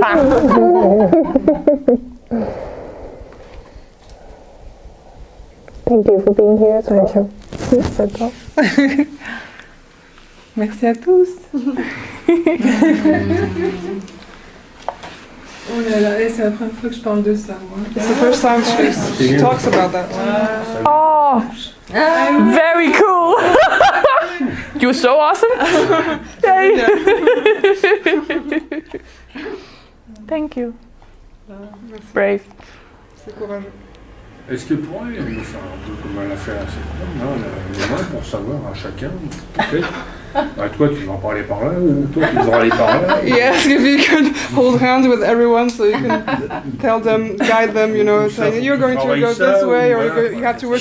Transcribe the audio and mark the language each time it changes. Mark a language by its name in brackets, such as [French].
[English] Thank you for being here. Thank you. [French] C'est bon. Merci à tous. Oh là là, c'est la première fois que je parle de ça, moi. [English] It's the first time she talks about that. Oh, very cool. You're so awesome. Yay. Thank you. [French] Merci. [English] Brave. [French] C'est courageux. Est-ce qu'elle pourrait nous faire un peu comme elle a fait à ses parents, pour savoir à chacun, peut-être. Bah toi tu vas en parler par là ou toi tu vas en parler par là? [English] Yes, if you could hold hands with everyone so you can tell them, guide them, you know, saying you're going to go this way or you have to work